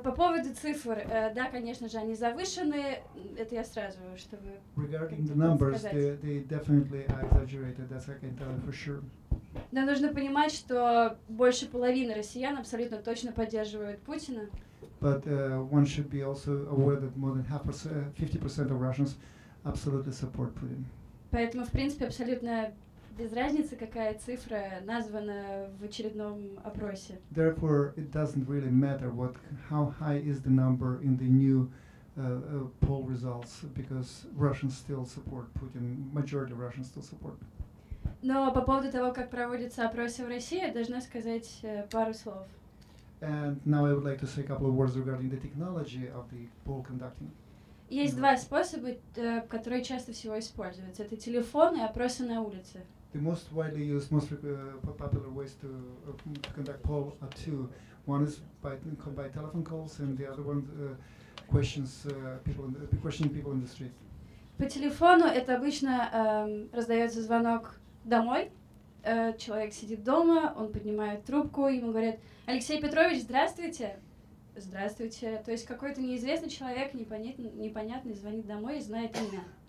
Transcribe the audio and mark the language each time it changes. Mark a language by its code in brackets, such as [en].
[ru] По поводу цифр, да, конечно же, они завышены. Это я сразу, чтобы [en] regarding the numbers, they definitely are exaggerated. That's I can tell for sure. [ru] Но нужно понимать, что больше половины россиян абсолютно точно поддерживают Путина. [en] But one should be also aware that more than 50% of Russians absolutely support Putin. [ru] Поэтому, в принципе, абсолютно без разницы, какая цифра названа в очередном опросе. [en] Therefore, it doesn't really matter what how high is the number in the new poll results, because Russians still support Putin. Majority of Russians still support Putin. [ru] Но по поводу того, как проводятся опросы в России, я должна сказать пару слов. [en] And now I would like to say a couple of words regarding the technology of the poll conducting. [ru] Есть два способа, которые чаще всего используются. Это телефон и опросы на улице. [en] The most widely used, most popular ways to conduct poll are two. One is by telephone calls, and the other one questioning people in the street. [ru] По телефону это обычно раздается звонок домой. Человек сидит дома, он поднимает трубку, ему говорят: Алексей Петрович, здравствуйте. Здравствуйте. То есть какой-то неизвестный человек, непонятный, звонит домой и знает имя.